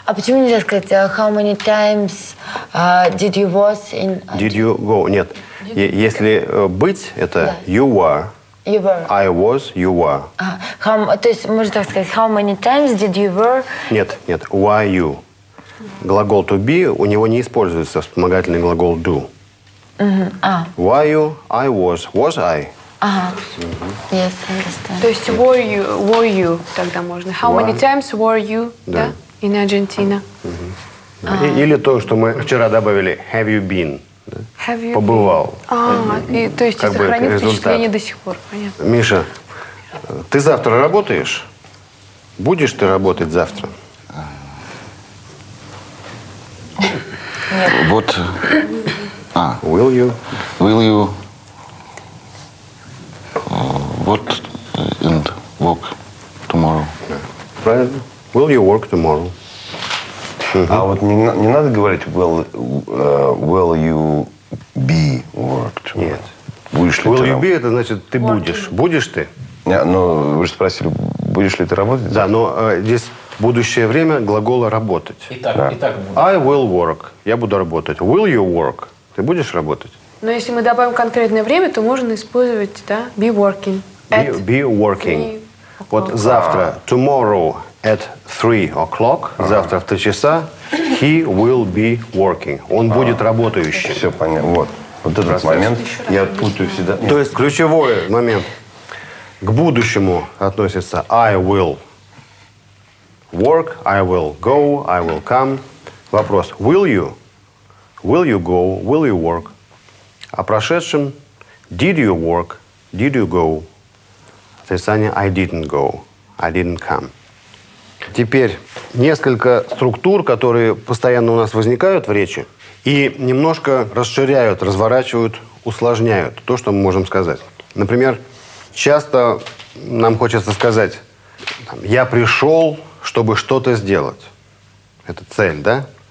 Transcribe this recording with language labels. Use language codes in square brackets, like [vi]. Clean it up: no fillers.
[ru] А почему нельзя сказать [en] how many times did you was in? Did you go? [ru] Нет. Если быть, это yeah. [en] You were. You were. I was. You were. [ru] То есть можно так сказать [en] how many times did you were? [ru] Нет, нет. [en] Why you? [ru] Глагол to be у него не используется вспомогательный глагол do. [en] Why you? I was. Was I? Yes, I understand. [ru] То есть [en] were you [ru] тогда можно. [en] How many times were you in Argentina? [ru] Или то, что мы вчера добавили [en] have you been. Have you [ru] побывал. То есть сохранил впечатление до сих пор. Понятно. Миша, ты завтра работаешь? Будешь ты работать завтра? Вот. [en] Will you? Will you? What and work tomorrow? [ru] Правильно. [en] Will you work tomorrow? [ru] А вот не надо говорить [en] will will you be worked? [ru] Нет. Будешь ли [en] will you be [ru] это значит ты what будешь. [en] You? [ru] Будешь ты? Ну, вы же спросили, будешь ли ты работать? Да, но здесь будущее время глагола работать. Итак, [en] I will work. [ru] Я буду работать. [en] Will you work? [ru] Ты будешь работать? Но если мы добавим конкретное время, то можно использовать, да, [en] be working. Be working. [ru] Вот завтра, [en] tomorrow at 3 o'clock, [ru] завтра в 3 часа, [en] he will be working. [ru] Он будет работающим. Все понятно. Вот этот момент я путаю всегда. То есть ключевой момент. К будущему относится [en] I will work, I will go, I will come. [ru] Вопрос, [en] will you? Will you go? Will you work? [ru] О прошедшем [en] did you work, did you go? [ru] Отрицание [en] I didn't go, I didn't come. [ru] Теперь несколько структур, которые постоянно у нас возникают в речи и немножко расширяют, разворачивают, усложняют то, что мы можем сказать. Например, часто нам хочется сказать: я пришел, чтобы что-то сделать. Это цель, да?